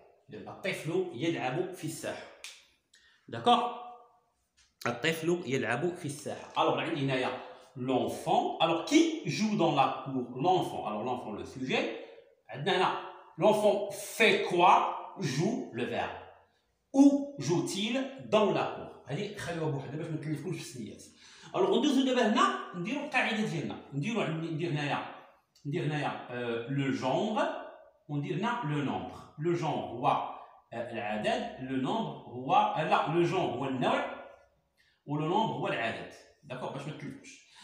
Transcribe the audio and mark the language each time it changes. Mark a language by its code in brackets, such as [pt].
[ar] Le طفل يلعب في الساحة. D'accord. الطفل يلعب في الساحة. Alors عندي هنايا l'enfant. [fr] Alors qui joue dans la cour? L'enfant. Alors l'enfant le sujet. [ar] عندنا هنا [fr] l'enfant fait quoi? Joue le verbe. Où joue-t-il dans la cour. [ar] هادي خليوها بوحدها باش ما نكلفكمش بالسنيات. الوغ ندوزو دابا هنا نديرو القاعده ديالنا نديرو ندير هنايا ندير هنايا لو جونغ وندير هنا لو نومبر. لو جونغ هو العدد لو نومبر هو لا لو جونغ هو النوع ولو نومبر هو العدد داكوغ باش ما نكلفكمش.